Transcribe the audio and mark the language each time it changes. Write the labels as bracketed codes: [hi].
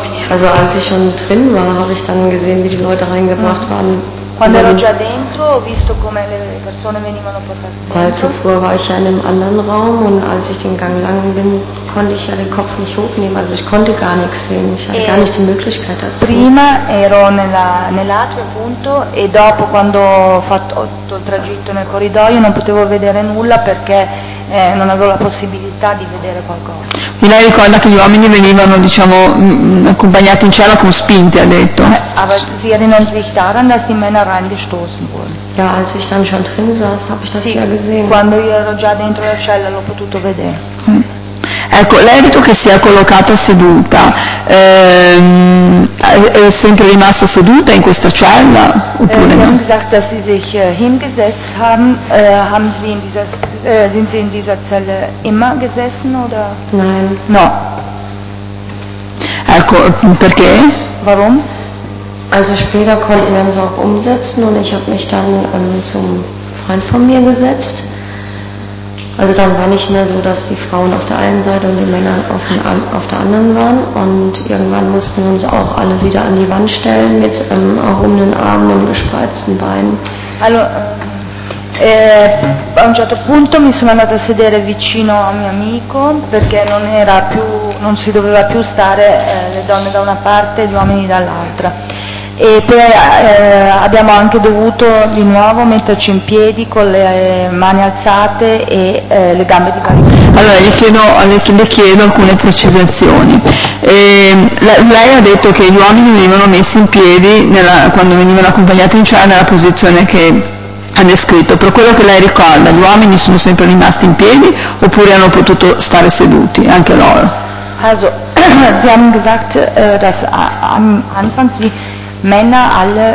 [de] Also als ich schon drin war, habe ich dann gesehen, wie die Leute reingebracht waren. [it] Quando ero già dentro, ho visto come le persone venivano portate dentro. [de] Weil zuvor war ich ja in einem anderen Raum und als ich den Gang lang bin, konnte ich ja den Kopf nicht hochnehmen, also ich konnte gar nichts sehen, ich hatte gar nicht die Möglichkeit dazu. [it] Prima ero nell'altro punto e dopo quando ho fatto il tragitto nel corridoio non potevo vedere nulla perché non avevo la possibilità di vedere qualcosa. E lei ricorda che gli uomini venivano, diciamo, accompagnati in cella con spinte, ha detto. [de] Aber sie erinnern sich daran, dass die Männer reingestoßen wurden. Ja, als ich dann schon drin saß, habe ich das [it] sì, [de] ja gesehen. [it] Quando io ero già dentro la cella l'ho potuto vedere. Ecco, lei ha detto che si è collocata seduta. È sempre rimasta seduta in questa cella oppure [de] sie Sie haben gesagt, dass Sie sich hingesetzt haben. Haben Sie in dieser, sind Sie in dieser Zelle immer gesessen oder? Nein. [it] No. Ecco, perché? [de] Warum? Also später konnten wir uns auch umsetzen und ich habe mich dann zum Freund von mir gesetzt. Also dann war nicht mehr so, dass die Frauen auf der einen Seite und die Männer auf der anderen waren und irgendwann mussten wir uns auch alle wieder an die Wand stellen mit erhobenen Armen und gespreizten Beinen. Hallo. [it] E a un certo punto mi sono andata a sedere vicino a mio amico, perché non era più, non si doveva più stare le donne da una parte e gli uomini dall'altra. E poi abbiamo anche dovuto di nuovo metterci in piedi con le mani alzate e le gambe di carico. Allora le chiedo alcune precisazioni. Lei ha detto che gli uomini venivano messi in piedi quando venivano accompagnati in cella nella posizione che ha descritto. Per quello che lei ricorda, gli uomini sono sempre rimasti in piedi oppure hanno potuto stare seduti anche loro? [de] Also, Sie haben gesagt, dass anfangs wie Männer alle